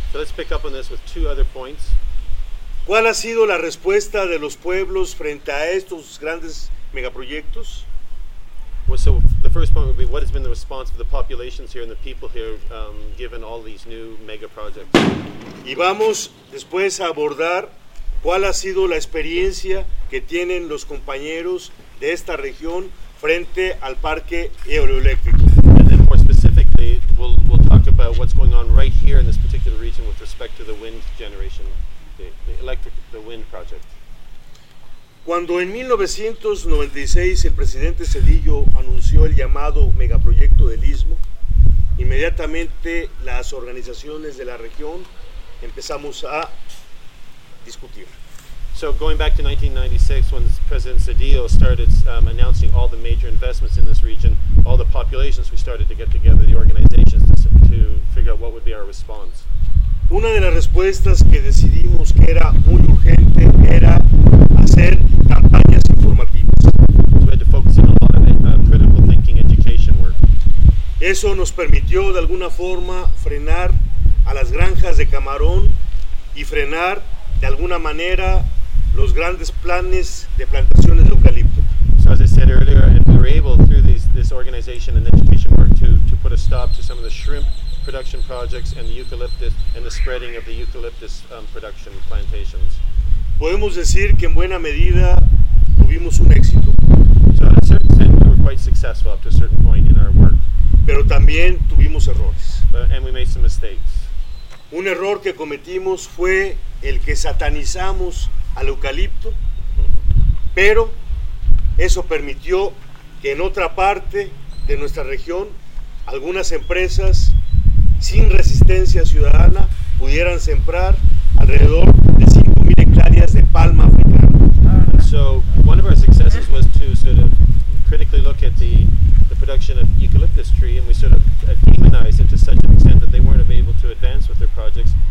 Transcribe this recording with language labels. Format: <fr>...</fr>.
<en>So let's pick up on this with two other points.</en> <es>¿Cuál ha sido la respuesta de los pueblos frente a estos grandes megaproyectos?</es> <en>Well, so the first point would be, what has been the response of the populations here and the people here given all these new mega projects?</en> <es>Y vamos después a abordar cuál ha sido la experiencia que tienen los compañeros de esta región frente al parque hidroeléctrico.</es> <en>And then more specifically, we'll talk about what's going on right here in this particular region with respect to the wind generation, the wind project.</en> <es>Cuando en 1996 el presidente Zedillo anunció el llamado megaproyecto del Istmo, inmediatamente las organizaciones de la región empezamos a discutir.</es> <en>So going back to 1996, when President Zedillo started announcing all the major investments in this region, all the populations, we started to get together, the organizations, to figure out what would be our response.</en> <es>Una de las respuestas que decidimos que era muy urgente era hacer campañas informativas.</es> <en>So we had to focus on a lot of critical thinking education work.</en> <es>Eso nos permitió de alguna forma frenar a las granjas de camarón y frenar de alguna manera los grandes planes de plantaciones de eucalipto.</es> <en>So as I said earlier, we were able through this organization and education work to put a stop to some of the shrimp production projects and the eucalyptus and the spreading of the eucalyptus production plantations.</en> <es>Podemos decir que en buena medida tuvimos un éxito.</es> <en>So at a certain extent, we were quite successful up to a certain point in our work.</en> <es>Pero también tuvimos errores.</es> <en>And we made some mistakes.</en> <es>Un error que cometimos fue el que satanizamos al eucalipto, pero eso permitió que en otra parte de nuestra región algunas empresas sin resistencia ciudadana pudieran sembrar alrededor de 5,000 hectáreas de palma africana.</es> <en>So one of our successes was to sort of critically look at the production of eucalyptus tree, and we sort of demonized it to such an extent that they weren't able to advance with their projects.</en>